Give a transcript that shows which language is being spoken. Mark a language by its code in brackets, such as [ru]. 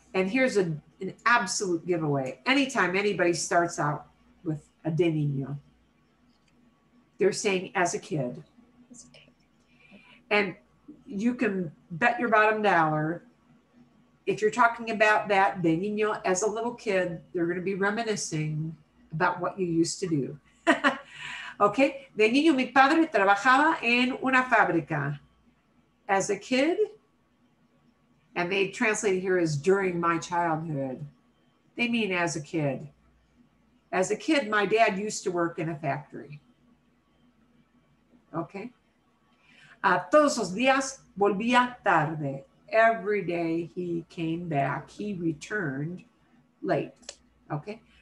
[en] And here's an absolute giveaway. Anytime anybody starts out with a de niño, they're saying as a kid. And you can bet your bottom dollar, if you're talking about that de niño as a little kid, they're going to be reminiscing about what you used to do. Okay. [es] De niño, mi padre trabajaba en una fábrica. [en] As a kid, and they translate here as during my childhood. They mean as a kid. As a kid, my dad used to work in a factory. Okay. [es] Todos los días volvía tarde. [en] Every day he came back, he returned late. Okay.